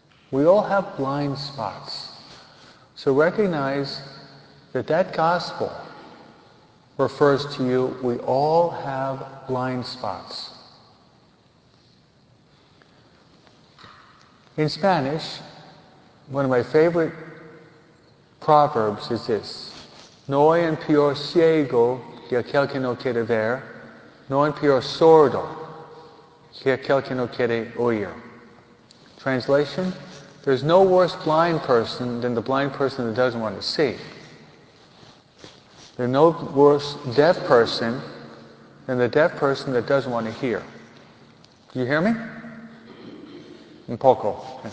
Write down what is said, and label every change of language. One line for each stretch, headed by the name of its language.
English: We all have blind spots. So recognize that that gospel refers to you. We all have blind spots. In Spanish, one of my favorite proverbs is this.
Spanish: No hay un peor ciego que aquel que no quiere ver. No hay un peor sordo que aquel que no quiere oír.
English: Translation, there's no worse blind person than the blind person that doesn't want to see. There's no worse deaf person than the deaf person that doesn't want to hear. Do you hear me?
Spanish: Un poco.